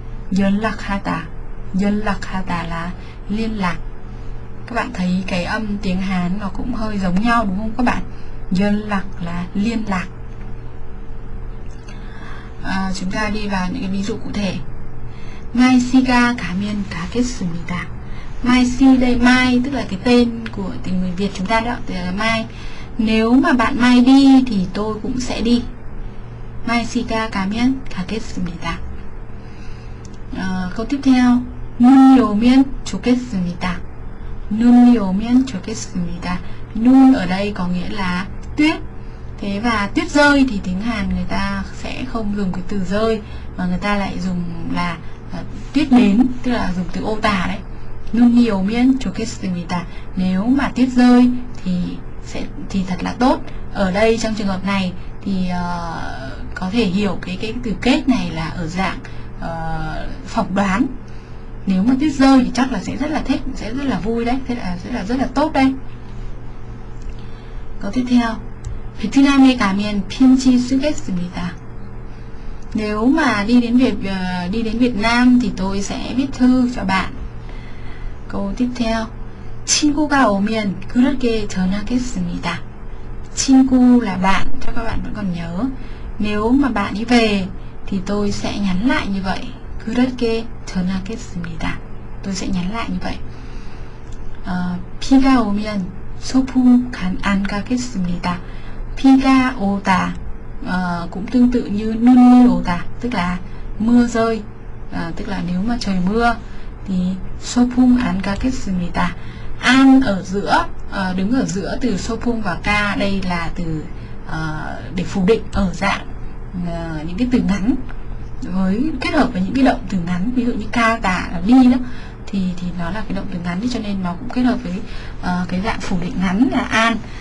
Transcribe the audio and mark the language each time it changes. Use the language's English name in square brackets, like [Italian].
[Korean] 연락하다. [Vietnamese] 연락하다 là liên lạc. Các bạn thấy cái âm tiếng Hán nó cũng hơi giống nhau đúng không các bạn? 연락 là liên lạc. Chúng ta đi vào những cái ví dụ cụ thể. [Korean] 마이 씨가 가면 가겠습니다. [Vietnamese] 마이 씨 đây, Mai tức là cái tên của tình người Việt chúng ta đó, thì là Mai. Nếu mà bạn Mai đi thì tôi cũng sẽ đi. [Korean] 마이 씨가 가면 가겠습니다. [Vietnamese] Câu tiếp theo, [Korean] 눈이 오면 좋겠습니다. 눈이 오면 좋겠습니다. [Vietnamese] 눈 ở đây có nghĩa là tuyết. Thế và tuyết rơi thì tiếng Hàn người ta sẽ không dùng cái từ rơi mà người ta lại dùng là tuyết đến, tức là dùng từ ô tả đấy. [Korean] 눈이 오면 좋겠습니다. [Vietnamese] Nếu mà tuyết rơi thì sẽ thì thật là tốt. Ở đây trong trường hợp này thì có thể hiểu cái từ kết này là ở dạng phỏng đoán. Nếu mà tuyết rơi thì chắc là sẽ rất là thích, sẽ rất là vui đấy, sẽ là rất là tốt đấy. Câu tiếp theo, [Korean] 베트남에 가면 편지 쓰겠습니다. [Vietnamese] Nếu mà đi đến Việt Nam thì tôi sẽ viết thư cho bạn. Câu tiếp theo, [Korean] 친구가 오면 그렇게 전하겠습니다. [Vietnamese] 친구 là bạn, cho các bạn vẫn còn nhớ. Nếu mà bạn đi về thì tôi sẽ nhắn lại như vậy. [Korean] 그렇게 전하겠습니다. [Vietnamese] Tôi sẽ nhắn lại như vậy. [Korean] 비가 오면 소풍 안 가겠습니다. [Vietnamese] 비가 오다 cũng tương tự như 눈이 오다, tức là mưa rơi. Tức là nếu mà trời mưa thì [Korean] 소풍 안 가겠습니다. [Vietnamese] An ở giữa, đứng ở giữa từ 소풍 và 가. Đây là từ để phủ định ở dạng những cái từ ngắn với kết hợp với những cái động từ ngắn, ví dụ như ca tả là đi đó, thì nó là cái động từ ngắn, cho nên nó cũng kết hợp với cái dạng phủ định ngắn là an.